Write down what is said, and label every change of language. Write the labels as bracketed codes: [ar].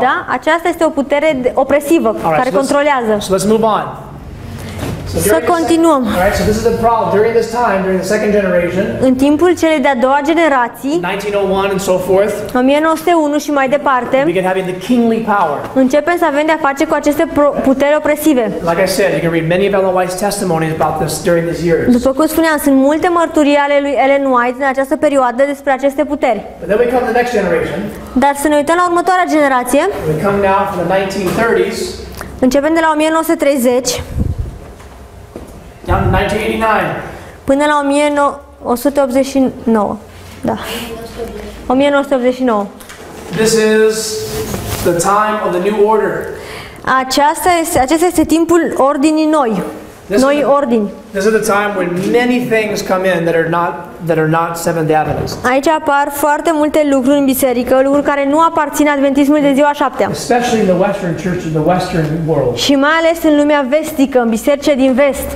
[ro] Da, aceasta este o putere opresivă, [en] right, [ro] care [en] so [ro] controlează. [en] So let's move on. [ro] Să continuăm. [en] All right, so this is the problem during this time, during the second generation. [ro] În timpul celei de-a doua generații. [en] 1901 and so forth. [ro] 1901 și mai departe. [en] We begin having the kingly power. [ro] Începem să avem de-a face cu aceste puteri opresive. [en] Like I said, you can read many of Ellen White's testimonies about this during these years. [ro] După cum spuneam, sunt multe mărturii ale lui Ellen White în această perioadă despre aceste puteri. [en] But then we come to the next generation. [ro] Dar să ne uităm la următoarea generație. [en] We come now from the 1930s. [ro] Începem de la 1930. [en] Down to 1989. [ro] Până la 1989. Da. 1989. [en] This is the time of the new order. [ro] Acesta este timpul ordinii noi. Noi ordini. [en] This is the time when many things come in that are not Seventh-day Adventists. [ro] Aici apar foarte multe lucruri în biserică, lucruri care nu aparțin adventismului de ziua șaptea. [en] Especially in the Western Church in the Western world. [ro] Și mai ales în lumea vestică, în biserice din vest.